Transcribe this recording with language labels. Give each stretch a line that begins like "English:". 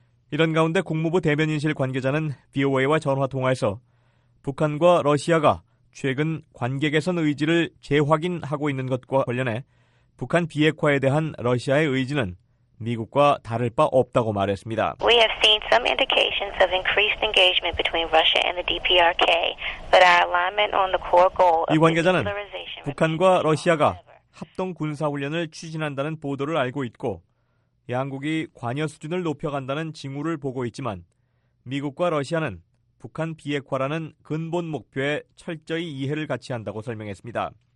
Korean: 이런 가운데 국무부 대변인실 관계자는 VOA와 전화 통화에서 북한과 러시아가 최근 관계 개선 의지를 재확인하고 있는 것과 관련해 북한 비핵화에 대한 러시아의 의지는 미국과 다를 바 없다고 말했습니다.
English: We have seen some indications of increased engagement between Russia and the DPRK, but our alignment on the core goal.
Korean: 이 관계자는 북한과 러시아가 합동 군사 훈련을 추진한다는 보도를 알고 있고 양국이 관여 수준을 높여간다는 징후를 보고 있지만 미국과 러시아는 북한 비핵화라는 근본 목표에 철저히 이해를 같이 한다고 설명했습니다.